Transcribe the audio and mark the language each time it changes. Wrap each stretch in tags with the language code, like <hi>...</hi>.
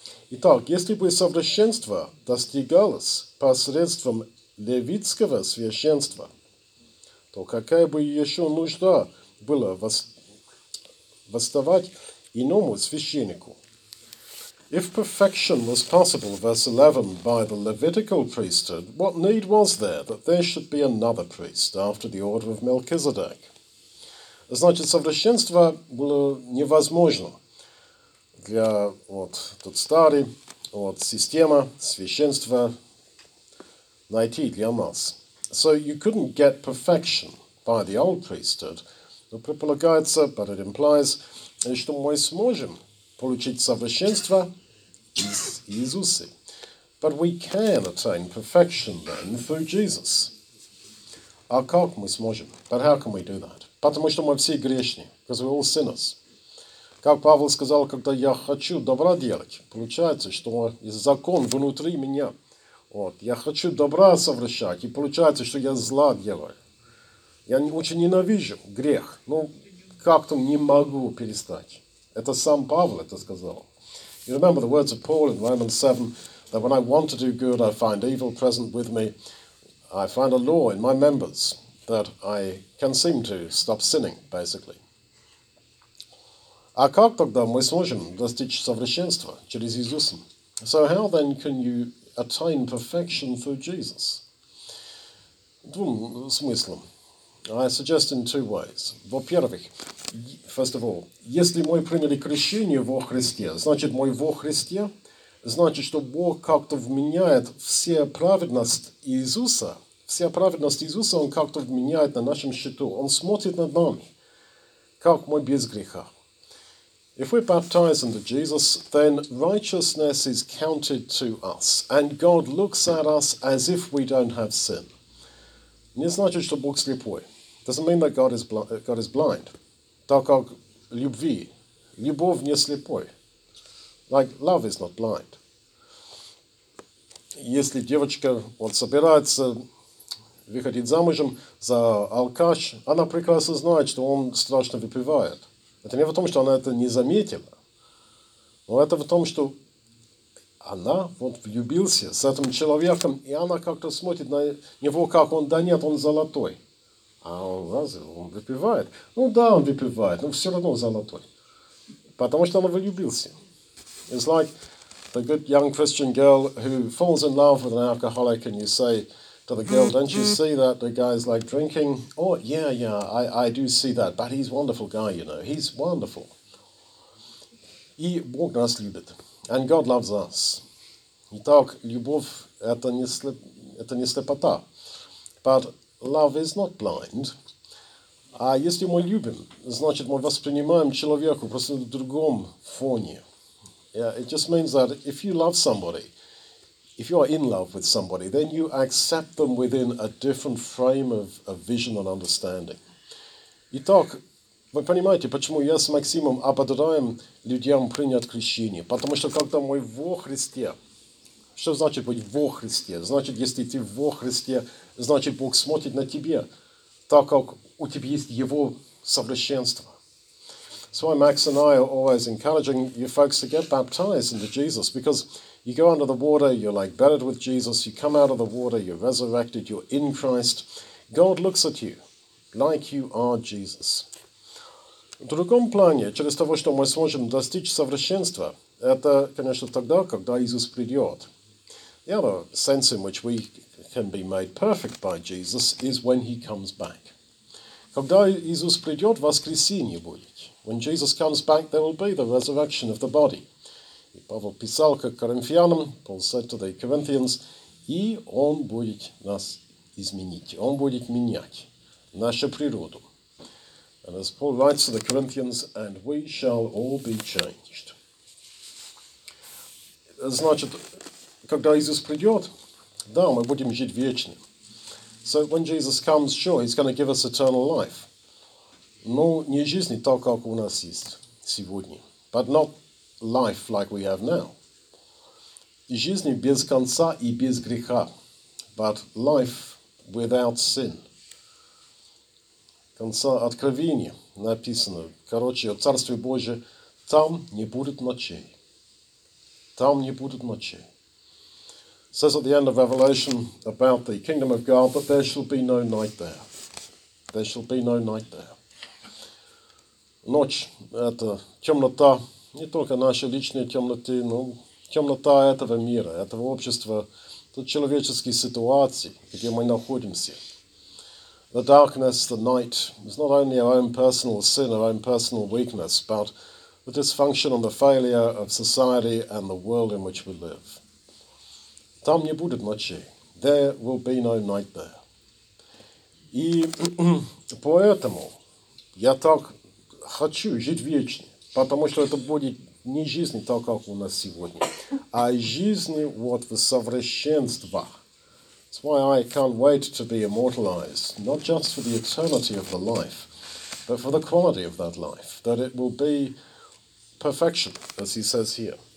<ru>Итак, если бы совершенство достигалось посредством левитского священства, то какая бы еще нужда было восставать иному священнику?</ru> <en>If perfection was possible, verse 11, by the Levitical priesthood, what need was there that there should be another priest after the order of Melchizedek?</en> <ru>Значит, совершенство было невозможно для вот тот старый вот система священства найти для нас.</ru> <en>So you couldn't get perfection by the old priesthood</en> <ru>но предполагается,</ru> <en>but it implies,</en> <ru>что мы сможем получить совершенство из Иисуса.</ru> <en>But we can attain perfection then through Jesus.</en> <ru>А как мы сможем?</ru> <en>But how can we do that?</en> <ru>Потому что мы все грешны,</ru> <en>because we're all sinners.</en> <ru>Как Павел сказал, когда я хочу добра делать, получается, что закон внутри меня. Вот, я хочу добра совершать, и получается, что я зла делаю. Я очень ненавижу грех, но как-то не могу перестать. Это сам Павел это сказал.</ru> <en>You remember the words of Paul in Romans 7, that when I want to do good, I find evil present with me. I find a law in my members that I can seem to stop sinning, basically.</en> <ru>А как тогда мы сможем достичь совершенства через Иисуса?</ru> <en>So how then can you attain perfection through Jesus?</en> <ru>Двум смыслом.</ru> <en>I suggest in two ways.</en> <ru>Во-первых,</ru> <en>first of all,</en> <ru>если мы приняли крещение во Христе, значит мы во Христе, значит, что Бог как-то вменяет все праведность Иисуса, вся праведность Иисуса Он как-то вменяет на нашем счету. Он смотрит над нами, как мы без греха.</ru> <en>If we're baptized into Jesus, then righteousness is counted to us, and God looks at us as if we don't have sin.</en> <ru>Не значит, что Бог слепой.</ru> <en>Doesn't mean that God is blind.</en> <ru>Так как любви. Любовь не слепой.</ru> <en>Like, love is not blind.</en> <ru>Если девочка вот, собирается выходить замужем за алкаш, она прекрасно знает, что он страшно выпивает. Это не в том, что она это не заметила, но это в том, что она вот влюбился с этим человеком, и она как-то смотрит на него, как он, да нет, он золотой. А он разве, он выпивает? Ну да, он выпивает, но все равно золотой. Потому что она влюбился.</ru> <en>It's like the good young Christian girl who falls in love with an alcoholic, and you say to the girl, don't you see that the guy's like drinking? Oh, yeah, I do see that. But he's a wonderful guy, you know. He's wonderful.</en> <ru>И Бог нас любит.</ru> <en>And God loves us.</en> <ru>Итак, любовь – это не слепота.</ru> <en>But love is not blind.</en> <ru>А если мы любим, значит, мы воспринимаем человека просто в другом фоне.</ru> <en>Yeah, it just means that if you love somebody, if you are in love with somebody, then you accept them within a different frame of a vision and understanding.</en> <ru>Итак, вы понимаете, почему я с Максимом ободряем людям принять крещение? Потому что когда мы во Христе, что значит быть во Христе? Значит, если ты во Христе, значит, Бог смотрит на тебя, так как у тебя есть Его совершенство.</ru> <en>So Max and I are always encouraging you folks to get baptized into Jesus, because you go under the water, you're like buried with Jesus, you come out of the water, you're resurrected, you're in Christ. God looks at you like you are Jesus.</en> <ru>В другом плане, через того, что мы сможем достичь совершенства, это, конечно, тогда, когда Иисус придет.</ru> <en>The other sense in which we can be made perfect by Jesus is when He comes back.</en> <ru>Когда Иисус придет, воскресенье будет.</ru> <en>When Jesus comes back, there will be the resurrection of the body.</en> <ru>И Павел писал к Коринфянам,</ru> <en>Paul said to the Corinthians,</en> <ru>и он будет нас изменить, он будет менять нашу природу.</ru> <en>And as Paul writes to the Corinthians, and we shall all be changed.</en> <ru>Значит, когда Иисус придет, да, мы будем жить вечно.</ru> <en>So when Jesus comes, sure, he's going to give us eternal life.</en> <ru>Но не жизнь так, как у нас есть сегодня.</ru> <en>But not life like we have now.</en> <ru>Жизнь без конца и без греха.</ru> <en>But life without sin.</en> <ru>Конца откровения написано. Короче, о Царстве Божьем. Там не будет ночей. Там не будет ночей.</ru> <en>It says at the end of Revelation about the kingdom of God that there shall be no night there. There shall be no night there.</en> <ru>Ночь – это темнота. Не только наши личные темноты, но темнота этого мира, этого общества, тут человеческие ситуации, где мы находимся.</ru> <en>The darkness, the night, is not only our own personal sin, our own personal weakness, but the dysfunction and the failure of society and the world in which we live.</en> <ru>Там не будет ночи.</ru> <en>There will be no night there.</en> <ru>И поэтому Я так хочу жить вечно, потому что это будет не жизнь так, как у нас сегодня, а жизнь вот в совершенствах.</ru> <en>That's why I can't wait to be immortalized, not just for the eternity of the life, but for the quality of that life, that it will be perfection, as he says here.</en>